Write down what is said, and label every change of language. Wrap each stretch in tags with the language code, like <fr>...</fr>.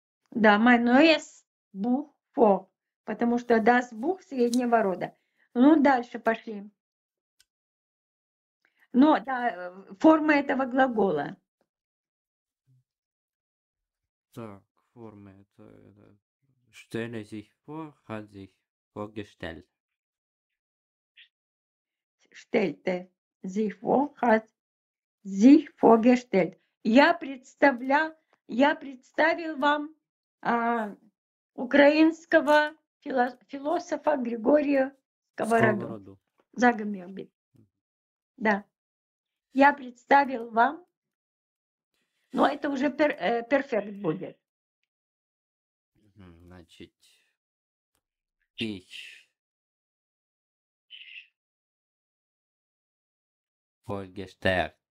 <de>Да, mein neues Buch vor.</de> <ru>Потому что</ru> <de>das Buch</de> <ru>среднего рода. Ну, дальше пошли. Но да, форма этого глагола. Так, форма это...</ru> <de>Stelle sich vor, hat sich vorgestellt. Stellte sich vor, hat sich vorgestellt.</de> <ru>Я представлял, я представил вам украинского философа Григория Сковороду. Загомелби. Да. Я представил вам, но это уже перфект будет. Значит,</ru> <de>ich vorgestellt.</de>